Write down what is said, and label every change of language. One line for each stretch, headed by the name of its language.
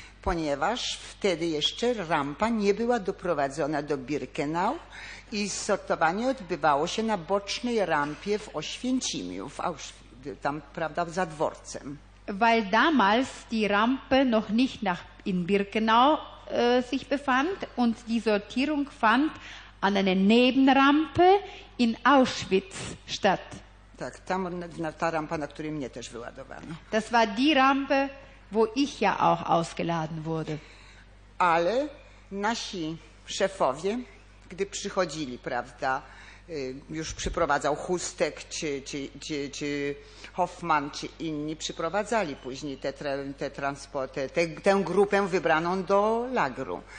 Polish: Ponieważ wtedy jeszcze rampa nie była doprowadzona do Birkenau, i sortowanie odbywało się na bocznej rampie w Oświęcimiu, tam, prawda, za dworcem.
German: Weil damals die Rampe noch nicht in Birkenau sich befand und die Sortierung fand an einer Nebenrampe in Auschwitz statt.
Polish: Tak, tam ta rampa, na której mnie też wyładowano.
German: Das war die Rampe, wo ich ja auch ausgeladen wurde.
Polish: Ale nasi szefowie, gdy przychodzili, prawda, już przyprowadzał Chustek czy Hoffmann czy inni, przyprowadzali później te transporty, tę grupę wybraną do lagru.